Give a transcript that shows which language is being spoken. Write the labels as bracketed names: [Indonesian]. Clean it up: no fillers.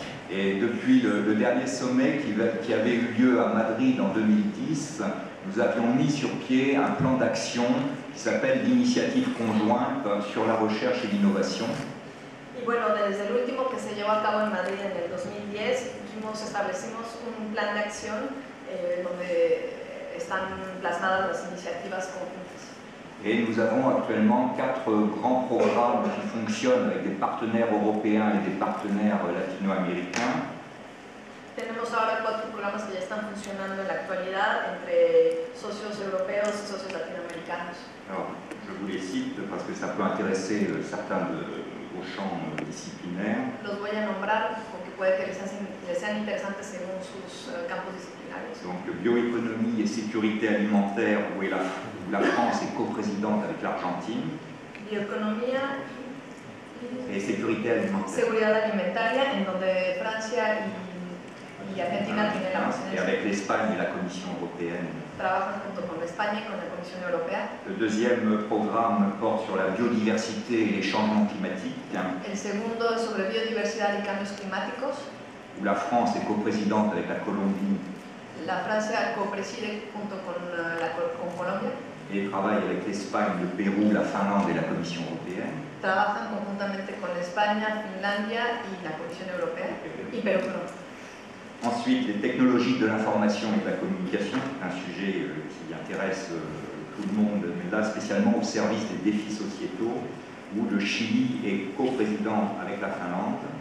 [French] Et depuis le dernier sommet qui avait eu lieu à Madrid en 2010, nous avions mis sur pied un plan d'action qui s'appelle l'initiative conjointe sur la recherche et l'innovation. [Spanish] Et bueno, desde el último que se llevó a cabo en Madrid en el 2010, establecimos un [French] plan d'action [Spanish] donde están plasmadas las iniciativas conjuntas. [French] Et nous avons actuellement quatre grands programmes qui fonctionnent avec des partenaires européens et des partenaires latino-américains. [Spanish] Tenemos ahora cuatro programas que ya están funcionando en la actualidad entre socios europeos y socios latinoamericanos. [French] Alors, je vous les cite parce que ça peut intéresser certains de au champ disciplinaire. [Spanish] Los voy a nombrar porque puede que les sean interesantes según sus campos disciplinarios. [French] Donc, bioéconomie et sécurité alimentaire, où est la France est coprésidente avec l'Argentine. Bioéconomie et sécurité alimentaire. [Spanish] Seguridad alimentaria, en donde Francia y Argentina tienen la [French] Et avec l'Espagne et la Commission européenne. [Spanish] Trabajan junto con España y con la Comisión Europea. [French] Le deuxième programme porte sur la biodiversité et les changements climatiques. [Spanish] El segundo es sobre biodiversidad y cambios climáticos. [French] Où la France est coprésidente avec la Colombie. [Spanish] La Francia copreside junto con con Colombia. [French] Et travaille avec l'Espagne, le Pérou, la Finlande et la Commission européenne. [Spanish] Trabajan conjuntamente con España, Finlandia y la Comisión Europea. Y Perú. [French] Ensuite, les technologies de l'information et de la communication, un sujet qui intéresse tout le monde, mais là spécialement au service des défis sociétaux, où le Chili est coprésident avec la Finlande.